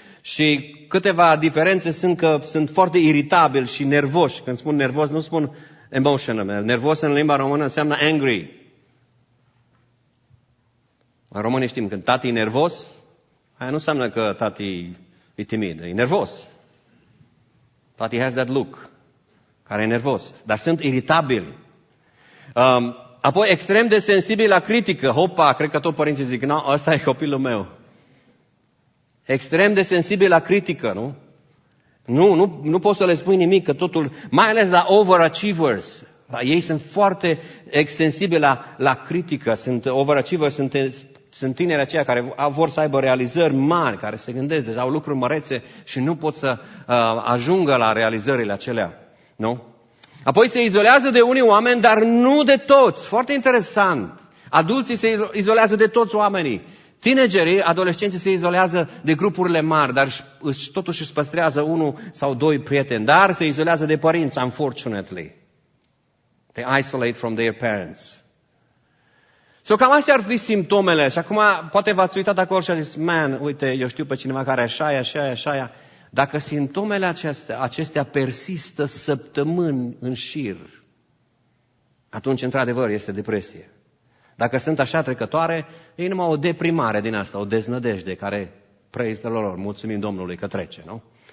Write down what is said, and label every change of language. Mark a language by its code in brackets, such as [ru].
[ro] Și câteva diferențe sunt că sunt foarte iritabili și nervoși. Când spun nervos, nu spun emotional. Nervos în limba română înseamnă angry. La românii știm, când tati e nervos, aia nu înseamnă că tati e timid, e nervos. [en] But he has that look, [ro] care e nervos. Dar sunt iritabil. Apoi extrem de sensibil la critică. Hopa, cred că tot părinții zic, nu, ăsta e copilul meu. Extrem de sensibil la critică, nu? Nu poți să le spui nimic, că totul, mai ales la overachievers. Ei sunt foarte sensibili la critică, sunt overachievers, sunt tineri aceia care vor să aibă realizări mari, care se gândesc, deja au lucruri mărețe și nu pot să ajungă la realizările acelea, nu? Apoi se izolează de unii oameni, dar nu de toți, foarte interesant. Adulții se izolează de toți oamenii. Tinerii, adolescenții se izolează de grupurile mari, dar totuși își păstrează unul sau doi prieteni, dar se izolează de părinți, unfortunately. [en] They isolate from their parents. [ro] So cam astea ar fi simptomele. Și acum poate v-ați uitat acolo și a zis, man, uite, eu știu pe cineva care așa e, așa e, așa e. Dacă simptomele acestea persistă săptămâni în șir, atunci, într-adevăr, este depresie. Dacă sunt așa trecătoare, e numai o deprimare din asta, o deznădejde care, [en] praise the Lord, [ro] mulțumim Domnului că trece, nu?